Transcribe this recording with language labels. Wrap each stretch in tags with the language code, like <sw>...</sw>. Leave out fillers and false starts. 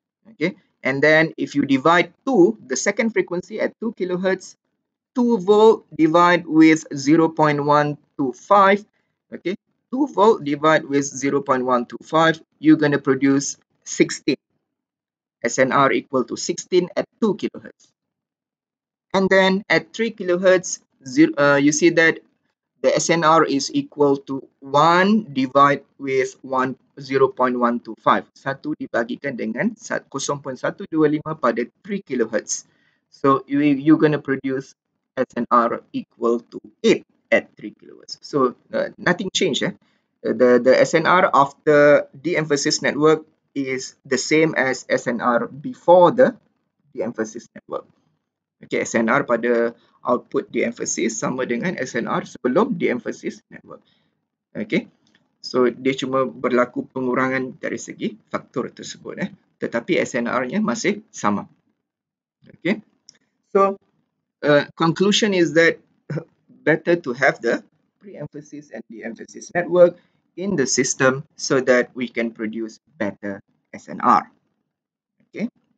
<en>Okay, and then if you divide 2, the second frequency at 2 kilohertz, 2 volt divide with 0.125, okay, 2 volt divide with 0.125, you're going to produce 16 SNR equal to 16 at 2 kilohertz. And then at 3 kilohertz, you see that the SNR is equal to 1 divided with 0.125.</en> <ms>1 dibagikan dengan 0.125 pada 3 kilohertz.</ms> <en>So you're going to produce SNR equal to 8 at 3 kilohertz. So nothing changed. Eh? The SNR of the de-emphasis network is the same as SNR before the de-emphasis network.</en> <ms>Okay, SNR pada output de-emphasis sama dengan SNR sebelum de-emphasis network. Okay, so dia cuma berlaku pengurangan dari segi faktor tersebut. Eh. Tetapi SNR-nya masih sama.</ms> <en>Okay, so conclusion is that better to have the pre-emphasis and de-emphasis network in the system so that we can produce better SNR. Okay.</en>